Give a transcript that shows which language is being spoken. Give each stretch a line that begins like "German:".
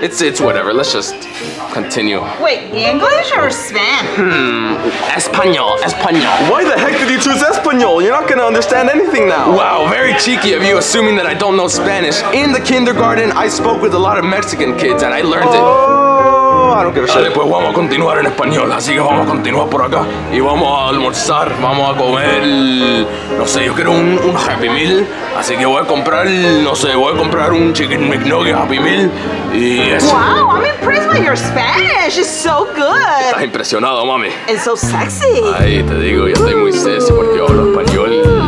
English: It's whatever, let's just continue. Wait, English or Spanish? Espanol. Why the heck did you choose Espanol? You're not gonna understand anything now. Wow, very cheeky of you assuming that I don't know Spanish. In the kindergarten, I spoke with a lot of Mexican kids and I learned it. I don't give a shit.
Spanish: Pues vamos a continuar en español, así que vamos a continuar por acá. Y vamos a almorzar, vamos a comer, no sé, yo quiero un Happy Meal. Así que voy a comprar, no sé, voy a comprar un Chicken McNugget Happy Meal. Y eso.
English: Wow, I'm impressed by your Spanish, it's so good.
Spanish: Estás impresionado, mami.
English: It's so sexy.
Spanish: Ay, te digo, yo estoy muy sexy porque hablo español.